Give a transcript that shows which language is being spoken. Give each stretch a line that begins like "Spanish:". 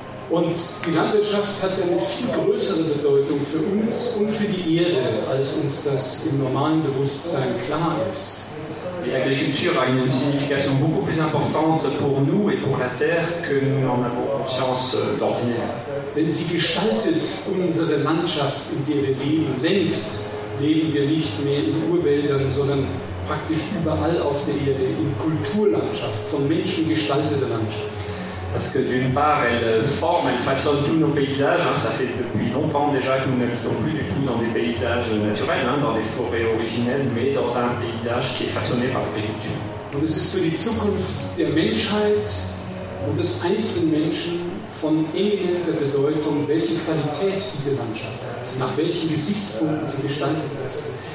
German: Und die Landwirtschaft hat eine viel größere Bedeutung für uns und für die Erde, als uns das im normalen Bewusstsein klar ist.
French: Die Agriculture a une signification beaucoup plus importante pour nous et pour la Terre que nous n'en avons conscience d'ordinaire.
German: Denn sie gestaltet unsere Landschaft, in der wir leben. Längst leben wir nicht mehr in Urwäldern, sondern praktisch überall auf der Erde, in Kulturlandschaft, von Menschen gestaltete Landschaft.
French: Parce que d'une part, elle forme, elle façonne tous nos paysages. Ça fait depuis longtemps déjà que nous n'habitons plus du tout dans des paysages naturels, dans des forêts originelles, mais dans un paysage qui est façonné par l'agriculture.
German: Und es ist für die Zukunft der Menschheit und des einzelnen Menschen von eminenter Bedeutung, welche Qualität diese Landschaft hat, nach welchen Gesichtspunkten sie gestaltet ist.